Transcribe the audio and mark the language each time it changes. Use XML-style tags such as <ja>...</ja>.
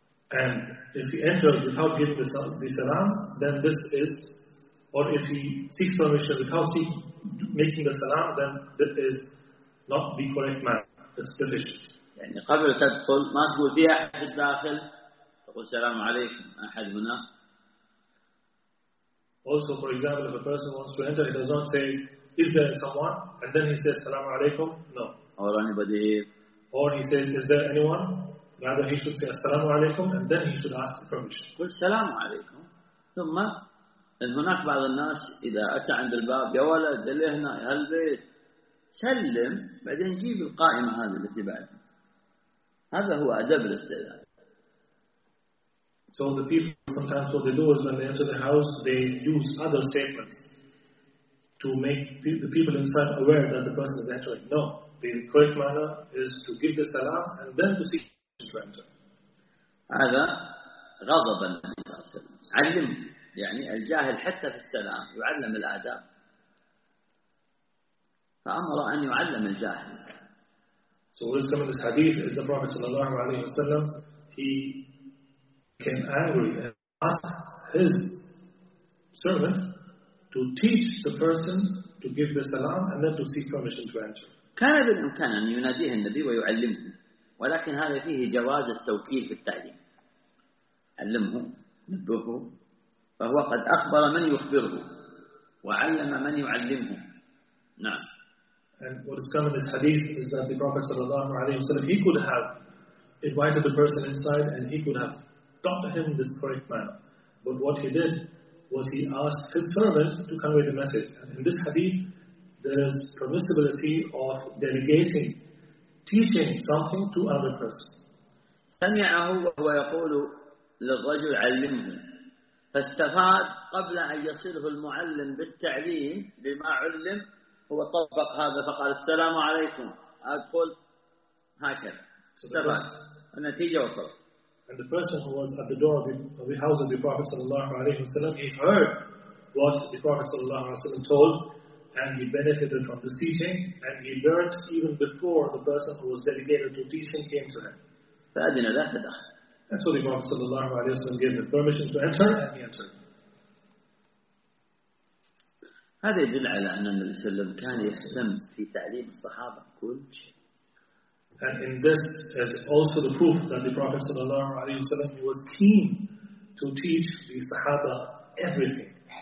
<en>And if he enters without giving the salam, then this is, or if he seeks permission without making the salam, then this is not be correct manner. It's sufficient.</en> <ar>يعني قبل تدخل ما تقول فيها أحد الداخل تقول السلام عليكم أحد هنا.</ar> <en>Also, for example, if a person wants to enter, he does not say, "Is there someone?" and then he says,</en> <ar>"Salam alaikum."</ar> <en>No. Or anybody here. Or he says, "Is there anyone?" Rather, he should say,</en> <ar>"Assalamu alaikum,"</ar> <en>and then he should ask the permission.</en> <ar>قل سلام عليكم ثم هناك بعض الناس إذا أتى عند الباب يا ولد اللي هنا هالبيت سلم بعدين جيب القائمة هذه التي بعد هذا هو أدب الاستئذان.</ar> <en>So the people sometimes what they do is when they enter the house they use other statements to make the people inside aware that the person is entering. No, the correct manner is to give the salam and then to seek permission to enter.</en> <ar>هذا غضب النبي صلى الله عليه وسلم. علم يعني الجاهل حتى في السلام يعلم الآداب فأمر أن يعلم الجاهل.</ar> <en>So what is coming this hadith is the Prophet</en> <ar>صلى الله عليه وسلم</ar> <en>he became angry and asked his servant to teach the person to give the salam and then to seek permission to enter.</en> <ar>كان بالإمكان أن يناديه النبي ويعلمه ولكن هذا فيه جواز التوكيل في التعليم علمه نبهه فهو قد أخبر من يخبره وعلم من يعلمه. نعم.</ar> <en>And what is coming in this hadith is that the Prophet</en> <ar>sallallahu alaihi wasallam</ar> <en>he could have invited the person inside and he could have taught him this correct manner. But what he did was he asked his servant to convey the message. And in this hadith, there is permissibility of delegating, teaching something to other person.</en> <ar>سمعه وهو يقول للرجل علمه. فاستفاد قبل أن يصيره المعلم بالتعليم بما علم هو طبق هذا فقال السلام عليكم أدخل هكذا استفاد النتيجة وصلت.</ar> <en>And the person who was at the door of the house of the Prophet</en> <ar>صلى الله عليه وسلم</ar> <en>he heard what the Prophet صلى الله عليه وسلم told and he benefited from the teaching and he learned even before the person who was delegated to teach him came to him.</en> <ar>فأذن له فدخل.</ar> <en>And so the Prophet</en> <ar>sallallahu alayhi wa sallam</ar> <en>gave him permission to enter and he entered.</en> <ar>هذا يدل على أن النبي صلى الله عليه وسلم كان يهتم في تعليم الصحابة كل شيء.</ar> <en>And in this is also the proof that the Prophet</en> <ar>sallallahu alayhi wa sallam</ar> <en>was keen to teach the Sahaba everything.</en>